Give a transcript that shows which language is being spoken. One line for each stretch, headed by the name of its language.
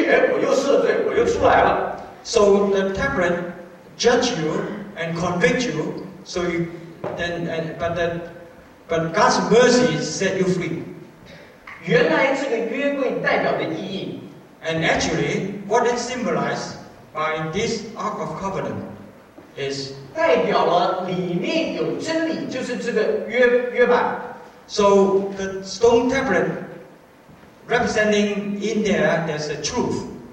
Chinese: 你这个石板定你的罪，我出去，哎，我又赦罪，我又出来了。
English: So the tablet judge you and convict you, so you then and but God's mercy set you free.
Chinese: 原来这个约柜代表的意义，
English: and actually what it symbolized by this Ark of Covenant is
Chinese: 代表了里面有真理，就是这个约板。
English: So the stone tablet representing in there there's a truth.